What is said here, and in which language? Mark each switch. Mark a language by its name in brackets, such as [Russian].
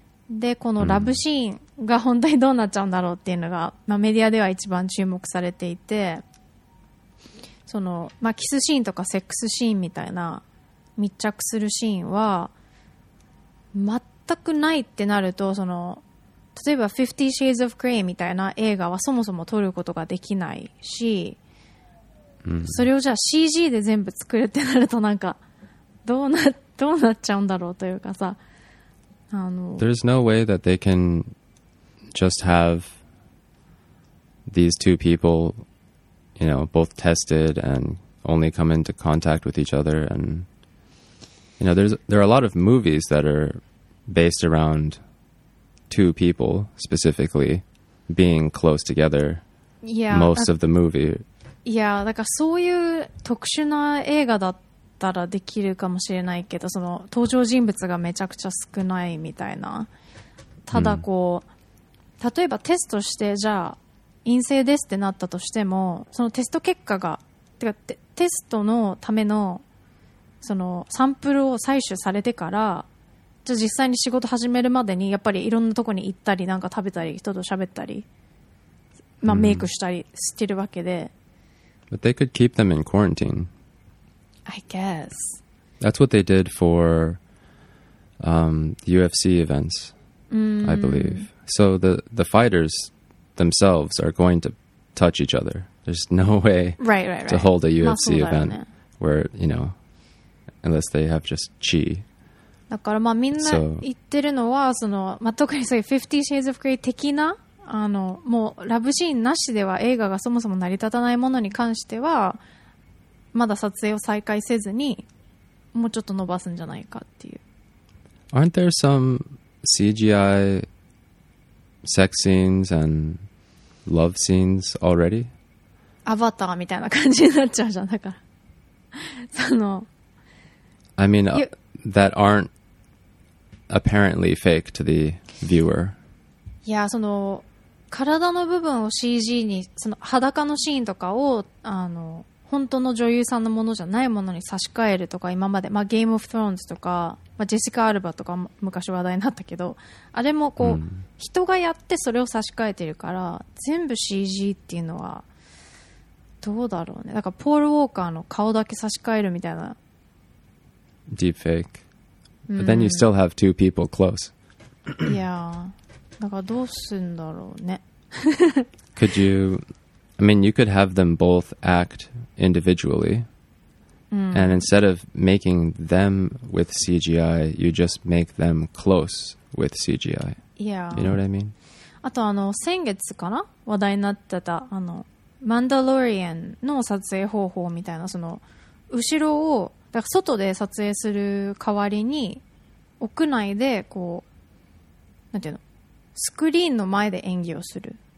[Japanese] でこのラブシーンが本当にどうなっちゃうんだろうっていうのが、メディアでは一番注目されていて、その、キスシーンとかセックスシーンみたいな密着するシーンは全くないってなると、その例えば50 Shades of Grey みたいな映画はそもそも撮ることができないし、それをじゃあ CG で全部作るってなると、なんかどうなっちゃうんだろうというかさ、 [English] There's no way that they can just have these two people, you know, both tested and only come into contact with each other. And, you know, there are a lot of movies that are based around two people specifically being close together. Yeah, most of the movie. [Japanese] Yeah, だからそういう特殊な映画だったらできるかもしれないけど、その登場人物がめちゃくちゃ少ないみたいな。ただこう、うん、例えばテストしてじゃあ陰性ですってなったとしても、そのテスト結果がてか テストのためのそのサンプルを採取されてから、じゃあ実際に仕事始めるまでにやっぱりいろんなとこに行ったり、なんか食べたり、人と喋ったり、まあメイクしたりしてるわけで、 [English] うん、But they could keep them in quarantine, I guess. That's what they did for UFC events, I believe. So the fighters themselves are going to touch each other. There's no way right. to hold a UFC event where, you know, unless they have just chi. [Japanese] だからまあみんな言ってるのは、その、まあ、特にそういう Fifty Shades of Grey 的な、あのもうラブシーンなしでは映画がそもそも成り立たないものに関しては、まだ撮影を再開せずにもうちょっと伸ばすんじゃないかっていう。 [English] Aren't there some CGI sex scenes and love scenes already? [Japanese] アバターみたいな感じになっちゃうじゃん、だからその [English] I mean that aren't apparently fake to the viewer. [Japanese] いや、その体の部分を CG に、その裸のシーンとかを、あの本当の女優さんのものじゃないものに差し替えるとか、今まで、まあ、ゲームオフトローンズとか、まあ、ジェシカ・アルバとか昔話題になったけど、あれもこう、うん、人がやってそれを差し替えてるから、全部 CG っていうのはどうだろうね。だからポール・ウォーカーの顔だけ差し替えるみたいな、 [English] ディープフェイク、うん、But then you still have two people close. Yeah. [Japanese] だからどうすんだろうね。 [English] Could you, I mean, you could have them both act individually、うん、 and instead of making them with CGI, you just make them close with CGI. Yeah. You know what I mean? [Japanese] あとあの先月かな、話題になってたあのマンダロリアンの撮影方法みたいな、その後ろをだから外で撮影する代わりに屋内でこうなんていうの、スクリーンの前で演技をする、